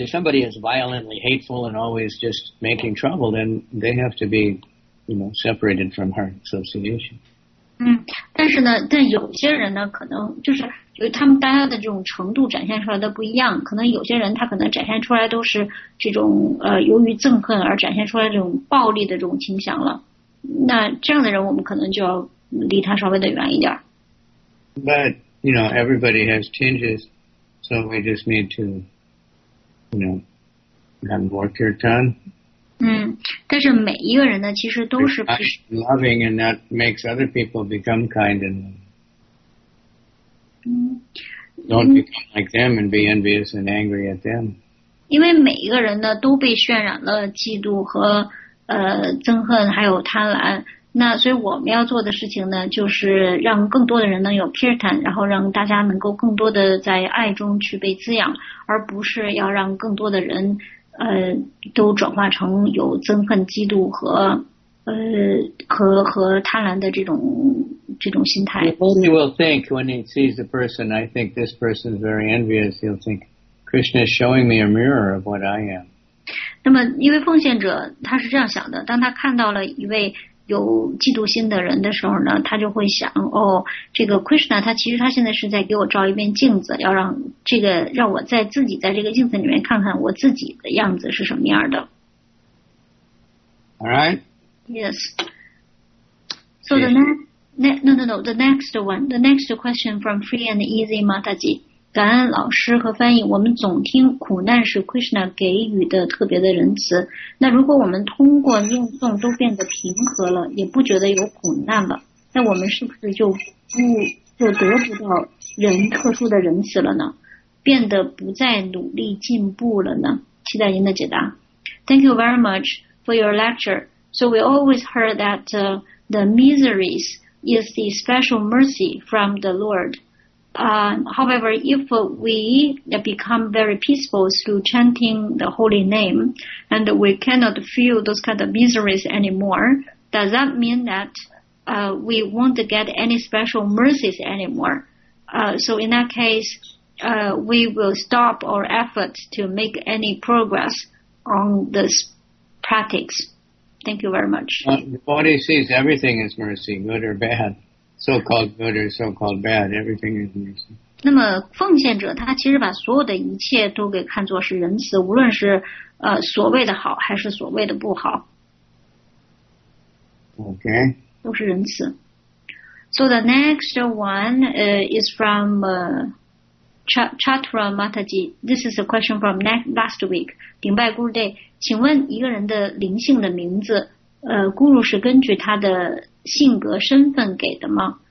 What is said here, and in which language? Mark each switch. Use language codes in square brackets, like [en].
[en] If somebody is violently hateful and always just making trouble, then they have to be, you know, separated from her association. [zh] 但是呢，但有些人呢，可能就是由于他们大家的这种程度展现出来的不一样，可能有些人他可能展现出来都是这种由于憎恨而展现出来这种暴力的这种倾向了。那这样的人，我们可能就要离他稍微的远一点。 [en] But you know, everybody has tinges, so we just need to. You know, and work your tongue. [zh] 但是每一个人呢，其实都是 [en] loving, and that makes other people become kind and don't become like them and be envious and angry at them. [zh] 因为每一个人呢，都被渲染了嫉妒和憎恨，还有贪婪。那所以我们要做的事情呢，就是让更多的人能有 kirtan， 然后让大家能够更多的在爱中去被滋养，而不是要让更多的人都转化成有憎恨、嫉妒和贪婪的这种心态。 [en] Somebody will think when he sees the person, I think this person is very envious. He'll think Krishna is showing me a mirror of what I am. [zh] 那么，因为奉献者他是这样想的，当他看到了一位。有嫉妒心的人的时候呢，他就会想，哦，这个 Krishna 他其实他现在是在给我照一面镜子，要让这个让我在自己在这个镜子里面看看我自己的样子是什么样的。 [en] All right. Yes. So the next question from Free and Easy Mataji， [zh] 感恩老师和翻译。我们总听苦难是 Krishna 给予的特别的仁慈。那如果我们通过念诵都变得平和了，也不觉得有苦难了，那我们是不是就得不到人特殊的仁慈了呢？变得不再努力进步了呢？期待您的解答。 [en] Thank you very much for your lecture. So we always heard that the miseries is the special mercy from the Lord. However, if we become very peaceful through chanting the holy name, and we cannot feel those kind of miseries anymore, does that mean that we won't get any special mercies anymore? So in that case, we will stop our efforts to make any progress on this practice. Thank you very much. The body sees everything as mercy, good or bad. So-called good or so-called bad, everything is mercy. [zh] 那么奉献者他其实把所有的一切都给看作是仁慈，无论是所谓的好还是所谓的不好。 [en] Okay. [zh] 都是仁慈。 [en] So the next one is from Chatra Mataji. This is a question from last week. [zh] 顶拜 Guru Day， 请问一个人的灵性的名字，Guru 是根据他的性格身份给的吗？